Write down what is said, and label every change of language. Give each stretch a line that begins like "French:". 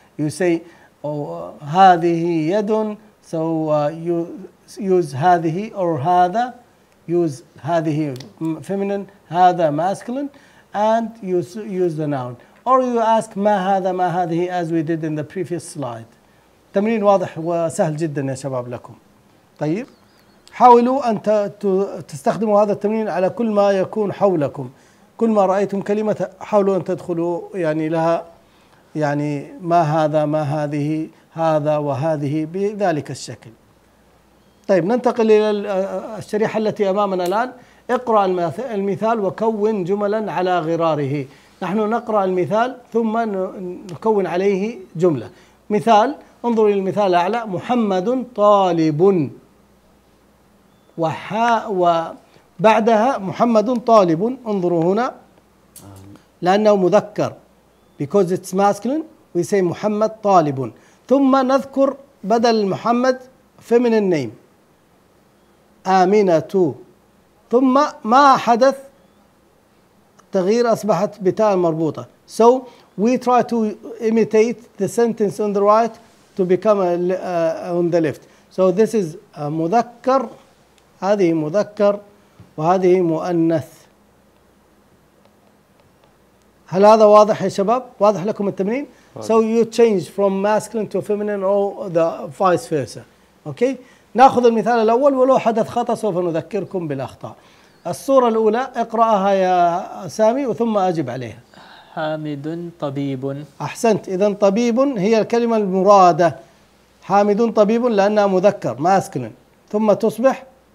English: You say
Arabic: هذه يد.
English: So you use هذه or هذا. Use هذه feminine, هذا masculine. And you use the noun. Or you ask
Arabic: ما هذا ما هذه
English: as we did in the previous slide.
Arabic: تمرين واضح وسهل جدا يا شباب لكم. طيب حاولوا أن تستخدموا هذا التمرين على كل ما يكون حولكم. كل ما رأيتم كلمة حاولوا أن تدخلوا يعني لها يعني ما هذا ما هذه هذا وهذه بذلك الشكل. طيب ننتقل إلى الشريحة التي أمامنا الآن. اقرأ المثال وكون جملا على غراره. نحن نقرأ المثال ثم نكون عليه جملة. مثال انظروا إلى المثال الأعلى، محمد طالب، وحاء وبعدها محمد طالب، انظروا هنا لأنه مذكر
English: because it's masculine
Arabic: we say محمد طالب. ثم نذكر بدل محمد
English: feminine name
Arabic: آمنة، ثم ما حدث تغيير أصبحت بتاء مربوطة.
English: So we try to imitate the sentence on the right to become on the left. So this is
Arabic: مذكر، هذه مذكر وهذه مؤنث. هل هذا واضح يا شباب؟ واضح لكم التمرين؟
English: So you change from masculine to feminine or the vice versa.
Arabic: Okay؟ نأخذ المثال الأول ولو حدث خطأ سوف نذكركم بالأخطاء. الصورة الأولى اقرأها يا سامي وثم أجب عليها. حامد طبيب. أحسنت، إذن طبيب هي الكلمة المرادة، حامد طبيب لأنها مذكر ماسكلين، ثم تصبح